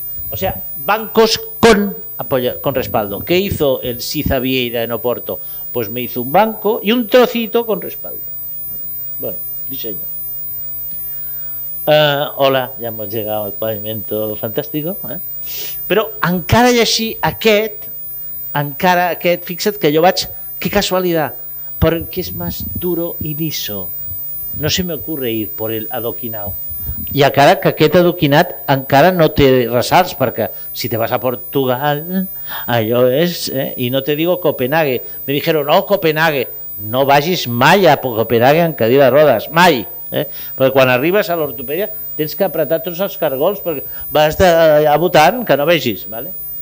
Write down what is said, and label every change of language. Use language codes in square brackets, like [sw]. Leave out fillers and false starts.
[es] O sea, bancos con apoyo, con respaldo. ¿Qué hizo el Siza Vieira en Oporto? Pues me hizo un banco y un trocito con respaldo. Bueno, diseño. Hola, ya hemos llegado al pavimento fantástico. [ca] Però encara hi ha així aquest, encara aquest, fixa't que jo vaig, que casualitat, perquè és més duro i liso. [es] No se me ocurre ir per el adoquinado. [ca] I encara que aquest adoquinat encara no té ressalts, perquè si te vas a Portugal, allò és, i [es] no te digo Copenhague, me dijeron, [ca] no, Copenhague, no vagis mai a Copenhague en cadira de rodes, mai, perquè quan arribes a l'ortopèdia tens que apretar tots els cargols perquè vas a votant que no vegis, vale?